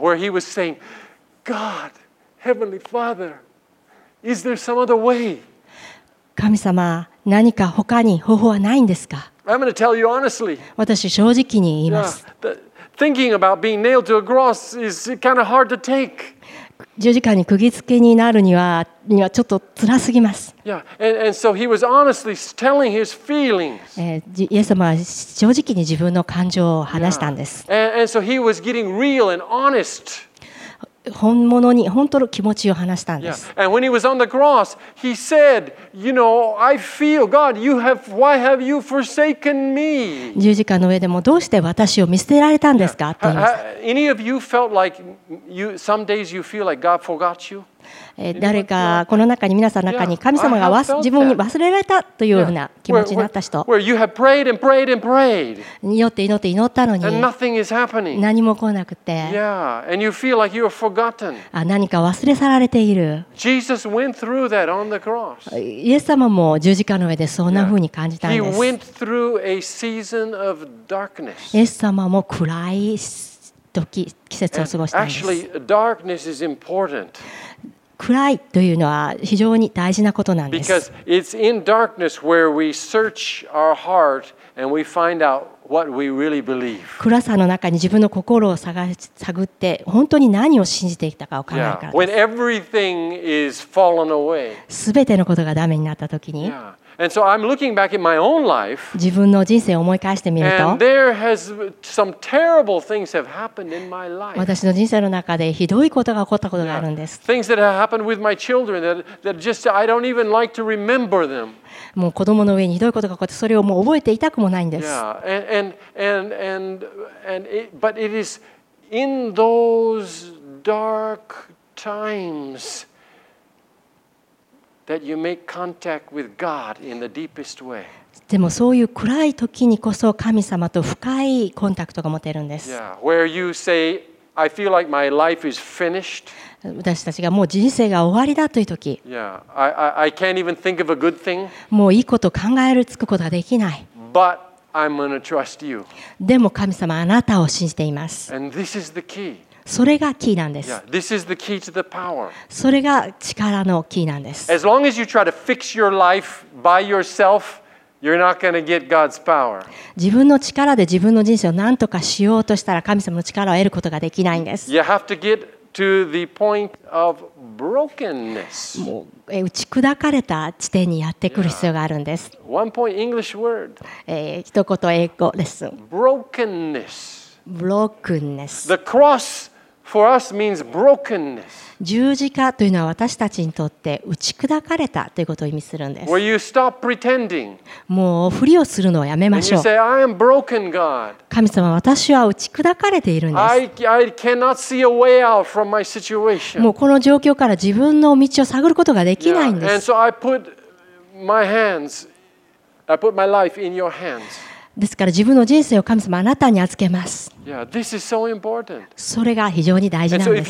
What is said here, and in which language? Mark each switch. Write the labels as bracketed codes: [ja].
[en] Where he was saying, God, Heavenly Father, is there some other way? [ja] 神様、何か他に方法はないんですか？ [en] I'm going to tell you honestly. [ja] 私正直に言います。 [en] Thinking about being nailed to a cross is kind of hard to take. [ja] 十字架に釘付けになるにはちょっと辛すぎます。 [en] Yeah, and so he was honestly telling his feelings. [ja] イエス様は正直に自分の感情を話したんです。 Yeah. [en] And so he was getting real and honest. [ja] 本物に本当の気持ちを話したんです。 [en] Yeah. And when he was on the cross, he said, "You know, I feel God. Why have you forsaken me?" [ja] 十字架の上でもどうして私を見捨てられたんですか？って言いました。 [en] Any of you felt like you some days you feel like God forgot you? [ja] 誰かこの中に皆さんの中に神様が自分に忘れられたというような気持ちになった人。 [en] Where you have prayed and prayed and prayed. [ja] 祈って祈ったのに。 [en] And nothing is happening. [ja] 何も来なくて。 [en] Yeah, and you feel like you're forgotten. [ja] 何か忘れ去られている。 [en] Jesus went through that on the cross. [ja] イエス様も十字架の上でそんな風に感じたんです。イエス様も暗い時季節を過ごしたんです。暗いというのは非常に大事なことなんです。 [en] Because it's in darkness where we search our heart and we find out what we really believe. [ja] 暗さの中に自分の心を探って本当に何を信じていたかを考えるからです。 [en] When everything is fallen away. [ja] 全てのことがダメになった時に。 [en] And so I'm looking back at my own life. [ja] 自分の人生を思い返してみると。 [en] And there has some terrible things have happened in my life. [ja] 私の人生の中でひどいことが起こったことがあるんです。 [en] Things that have happened with my children that just I don't even like to remember them. [ja] もう子供の上にひどいことが起こってそれをもう覚えていたくもないんです。 [en] But it is in those dark times that you make contact with God in the deepest way. [ja] でもそういう暗い時にこそ神様と深いコンタクトが持てるんです。 [en] Where you say, I feel like my life is finished. [ja] 私たちがもう人生が終わりだという時、 [en] I can't even think of a good thing. [ja] もういいこと考えるつくことができない。 [en] But I'm gonna trust you. [ja] でも神様あなたを信じています。 [en] And this is the key. [ja] それがキーなんです。 [en] Yeah, this is the key to the power. [ja] それが力のキーなんです。 [en] As long as you try to fix your life by yourself. You're not going to get God's power. [ja] 自分の力で自分の人生を何とかしようとしたら神様の力を得ることができないんです。 [en] You have to get to the point of brokenness. [ja] もう打ち砕かれた地点にやってくる必要があるんです。 [en] One point English word. [ja] 一言英語レッスン。 [en] Brokenness. Brokenness. The cross for us means brokenness. [ja] 十字架というのは私たちにとって打ち砕かれたということを意味するんです。 [en] Where you stop pretending. [ja] もう振りをするのをやめましょう。 [en] And you say, I am broken, God. [ja] 神様、私は打ち砕かれているんです。 [en] I cannot see a way out from my situation. [ja] もうこの状況から自分の道を探ることができないんです。 [en] And so I put my life in your hands. [ja] ですから自分の人生を神様あなたに預けます。 [en] Yeah, this is so important. [ja] それが非常に大事なんです。